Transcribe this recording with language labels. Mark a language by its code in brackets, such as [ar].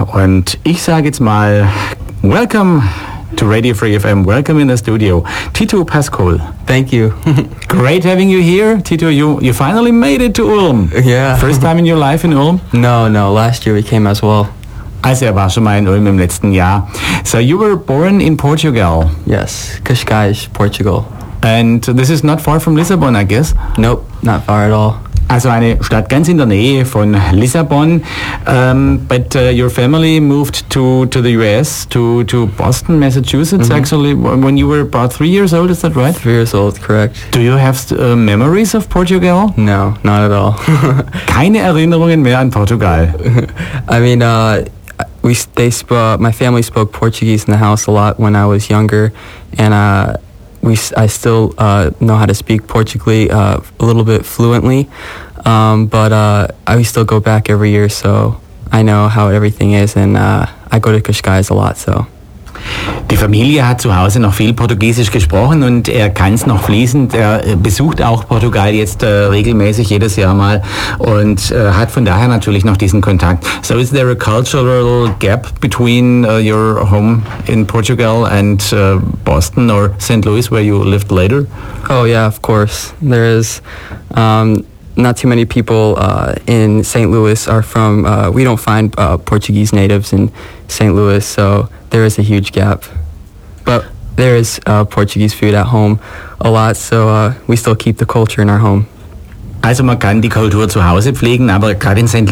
[de] Und ich sage jetzt mal, [en] welcome to Radio Free FM, welcome in the studio, Tito Pascal. Thank you. Great having you here. Tito, you finally made it to Ulm. Yeah. First time in your life in Ulm? No, last year we came as well. [de] Also er war schon mal in Ulm im letzten Jahr. [en] So you were born in Portugal. Yes, Cascais, Portugal. And this is not far from Lissabon, I guess. Nope, not far at all. [de] Also eine Stadt ganz in der Nähe von Lissabon. [en] But your family moved to the US, to Boston, Massachusetts, mm-hmm. actually, when you were about 3 years old, is that right? 3 years old, correct. Do you have memories of Portugal? No, not at all. [de] Keine Erinnerungen mehr an Portugal. [en] I mean, my family spoke Portuguese in the house a lot when I was younger, and I still know how to speak Portuguese a little bit fluently, but we still go back every year, so I know how everything is, and I go to Cascais a lot, so. [de] Die Familie hat zu Hause noch viel Portugiesisch gesprochen und er kann es noch fließend. Er besucht auch Portugal jetzt regelmäßig jedes Jahr mal und hat von daher natürlich noch diesen Kontakt. [en] So is there a cultural gap between your home in Portugal and Boston or St. Louis, where you lived later? Oh yeah, of course. There is not too many people in St. Louis are from, we don't find Portuguese natives in St. Louis, so there is a huge gap, but there is Portuguese food at home a lot, so we still keep the culture in our home. [de] Also man kann die Kultur zu Hause pflegen, aber gerade in St.